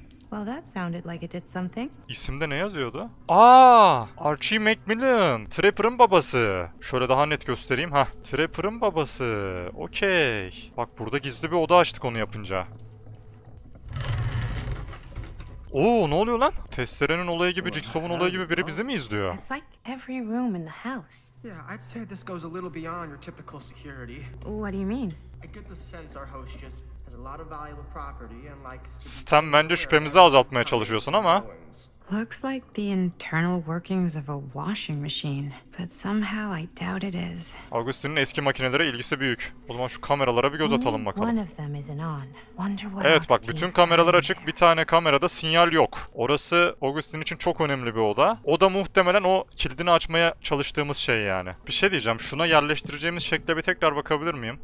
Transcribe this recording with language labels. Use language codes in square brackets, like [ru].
[en] Well, that sounded like it did something. [tr] İsimde ne yazıyordu? Aa, Archie MacMillan, Trapper'ın babası. Şöyle daha net göstereyim ha. Trapper'ın babası. Okey. Bak burada gizli bir oda açtık onu yapınca. Oo, ne oluyor lan? Testere'nin olayı gibi, Jigsaw'un olayı gibi biri bizi mi izliyor? [en] It's like every room in the house. Yeah, I'd say this goes a little beyond your typical security. What do you mean? I get the sense our host just has a lot of valuable property and likes... Stan, [tr] bence şüphemizi azaltmaya çalışıyorsun ama. [en] Looks like the internal workings of a washing machine, but somehow I doubt it is. [tr] Augustine'in eski makinelere ilgisi büyük. O zaman şu kameralara bir göz atalım bakalım. [en] One of them isn't on. Wonder what. [tr] Evet, bak bütün kameralar açık, bir tane kamerada sinyal yok. Orası Augustine için çok önemli bir oda. O da muhtemelen o kilidini açmaya çalıştığımız şey yani. Bir şey diyeceğim, şuna yerleştireceğimiz şekle bir tekrar bakabilir miyim?